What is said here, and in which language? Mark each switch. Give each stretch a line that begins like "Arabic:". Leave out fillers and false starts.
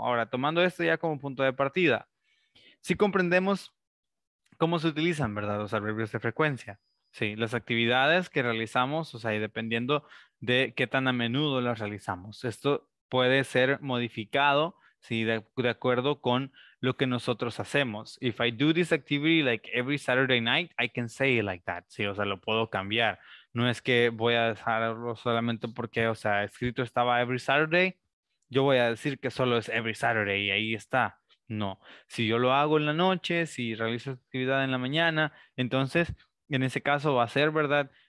Spanish: Ahora, tomando esto ya como punto de partida. Si comprendemos cómo se utilizan, ¿verdad? Los adverbios de frecuencia. Sí, las actividades que realizamos, o sea, y dependiendo de qué tan a menudo las realizamos. Esto puede ser modificado, sí, de acuerdo con lo que nosotros hacemos.
English: If I do this activity like every Saturday night, I can say it like that.
Spanish: Sí, o sea, lo puedo cambiar. No es que voy a dejarlo solamente porque, o sea, escrito estaba
English: every Saturday
Spanish: yo voy a decir que solo es
English: every Saturday
Spanish: y ahí está. No, si yo lo hago en la noche, si realizo actividad en la mañana, entonces en ese caso va a ser, ¿verdad?